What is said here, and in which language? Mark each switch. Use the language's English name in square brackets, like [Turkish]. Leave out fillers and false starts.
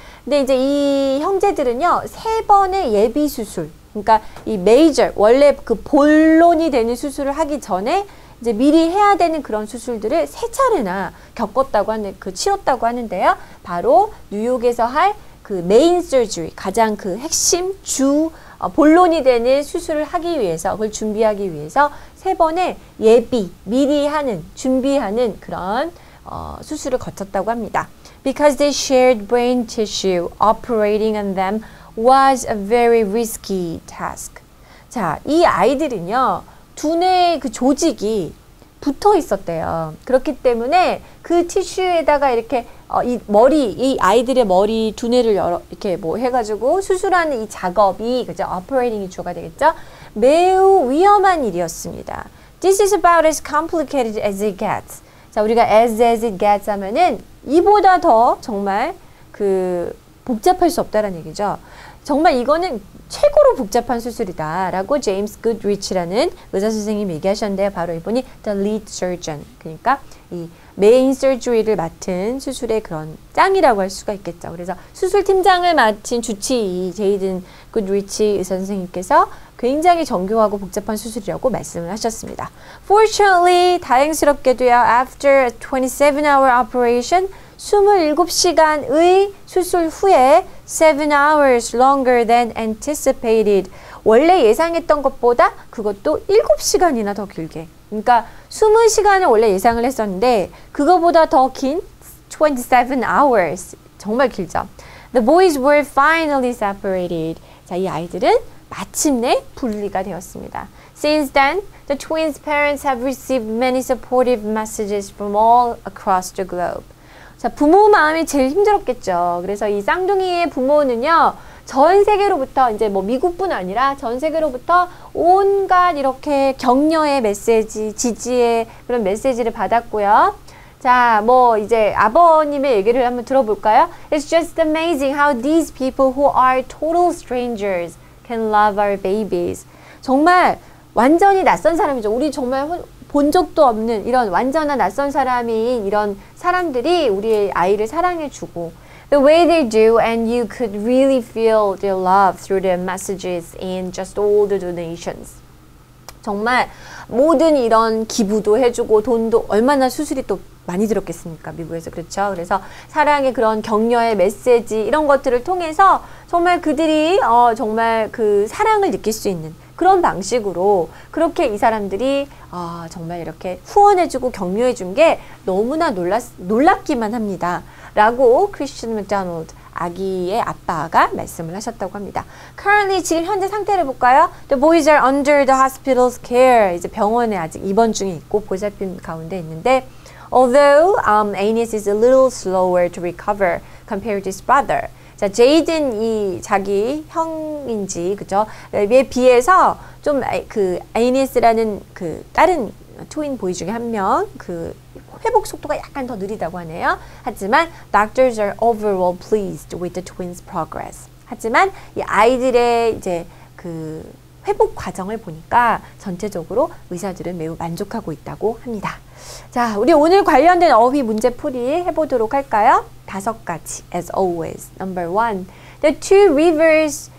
[Korean] 근데 이제 이 형제들은요, 세 번의 예비 수술, 그러니까 이 major, 원래 그 본론이 되는 수술을 하기 전에 이제 미리 해야 되는 그런 수술들을 세 차례나 치렀다고 하는데요. 바로 뉴욕에서 할 그 메인 서저리, 가장 그 핵심 주 본론이 되는 수술을 하기 위해서 그걸 준비하기 위해서 세 번의 예비, 미리 하는, 준비하는 그런 수술을 거쳤다고 합니다. [English] Because they shared brain tissue, operating on them was a very risky task. [Korean] 자, 이 아이들은요, 두뇌의 그 조직이 붙어 있었대요. 그렇기 때문에 그 티슈에다가 이렇게 이 아이들의 머리 두뇌를 이렇게 뭐 해가지고 수술하는 이 작업이 그죠? Operating이 주어가 되겠죠? 매우 위험한 일이었습니다. [English] This is about as complicated as it gets. [Korean] 자, 우리가 [English] as it gets [Korean] 하면은 이보다 더 정말 그 복잡할 수 없다라는 얘기죠. 정말 이거는 최고로 복잡한 수술이다라고 제임스 굿리치라는 의사 선생님이 얘기하셨는데요. 바로 이분이 [English] the lead surgeon, [Korean] 그러니까 이 메인 서저리를 맡은 수술의 그런 짱이라고 할 수가 있겠죠. 그래서 수술 팀장을 맡은 주치의 제이든 굿리치 의사 선생님께서 굉장히 정교하고 복잡한 수술이라고 말씀을 하셨습니다. [English] Fortunately, [Korean] 다행스럽게도요, [English] after a 27-hour operation, [Korean] 27시간의 수술 후에 [English] 7 hours longer than anticipated. [Korean] 원래 예상했던 것보다 그것도 7시간이나 더 길게. 그러니까 20시간을 원래 예상을 했었는데 그거보다 더 긴 [English] 27 hours. [Korean] 정말 길죠. [English] The boys were finally separated. [Korean] 자, 이 아이들은 마침내 분리가 되었습니다. [English] Since then, the twins' parents have received many supportive messages from all across the globe. [Korean] 자, 부모 마음이 제일 힘들었겠죠. 그래서 이 쌍둥이의 부모는요, 전 세계로부터, 이제 뭐 미국뿐 아니라 전 세계로부터 온갖 이렇게 격려의 메시지, 지지의 그런 메시지를 받았고요. 자, 뭐 이제 아버님의 얘기를 한번 들어볼까요? [English] It's just amazing how these people who are total strangers can love our babies. [Korean] 정말 완전히 낯선 사람이죠. 우리 정말 본 적도 없는 이런 완전한 낯선 사람인 이런 사람들이 우리의 아이를 사랑해주고 [English] the way they do, and you could really feel their love through their messages and just all the donations. [Korean] 정말 모든 이런 기부도 해주고 돈도 얼마나 수술이 또 많이 들었겠습니까? 미국에서 그렇죠. 그래서 사랑의 그런 격려의 메시지 이런 것들을 통해서 정말 그들이 정말 그 사랑을 느낄 수 있는 그런 방식으로 그렇게 이 사람들이 정말 이렇게 후원해주고 격려해준 게 너무나 놀랍기만 합니다. 라고 크리스천 맥도널드 아기의 아빠가 말씀을 하셨다고 합니다. Currently 지금 현재 상태를 볼까요? [English] The boys are under the hospital's care. [Korean] 이제 병원에 아직 입원 중에 있고 보살핌 가운데 있는데 [English] although Aeneas is a little slower to recover compared to his brother. [Korean] 자, 제이든이 자기 형인지 그죠?에 비해서 좀 그 Aeneas라는 그 다른 트윈 보이 중에 한 명 그 회복 속도가 약간 더 느리다고 하네요. 하지만 [English] doctors are overall pleased with the twins' progress. [Korean] 하지만 이 아이들의 이제 그 회복 과정을 보니까 전체적으로 의사들은 매우 만족하고 있다고 합니다. 자, 우리 오늘 관련된 어휘 문제풀이 해보도록 할까요? 다섯 가지, [English] as always. Number one, the two rivers.